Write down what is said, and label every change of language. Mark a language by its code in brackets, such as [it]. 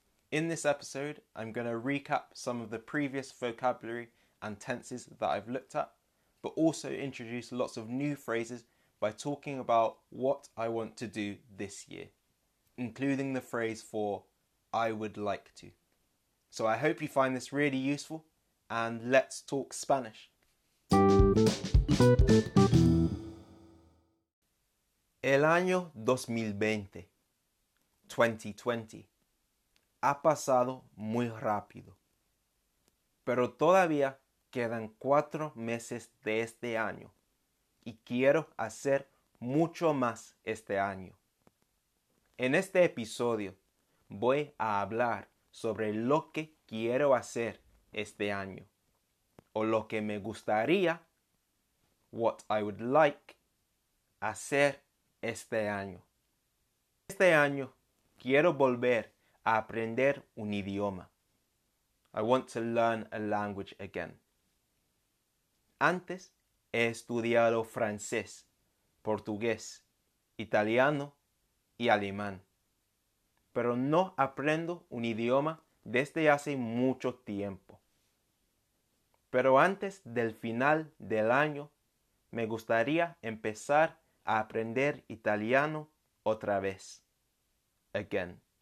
[en] In this episode, I'm going to recap some of the previous vocabulary and tenses that I've looked at, but also introduce lots of new phrases by talking about what I want to do this year, including the phrase for I would like to. So I hope you find this really useful, and let's talk Spanish. [es] El año 2020, 2020, ha pasado muy rápido, pero todavía quedan 4 meses de este año y quiero hacer mucho más este año. En este episodio voy a hablar sobre lo que quiero hacer este año o lo que me gustaría, [en] what I would like, [es] hacer este año. Este año quiero volver a aprender un idioma. [en] I want to learn a language again. [es] Antes he estudiado francés, portugués, italiano y alemán. Pero no aprendo un idioma desde hace mucho tiempo. Pero antes del final del año, me gustaría empezar a aprender italiano otra vez. [en] Again.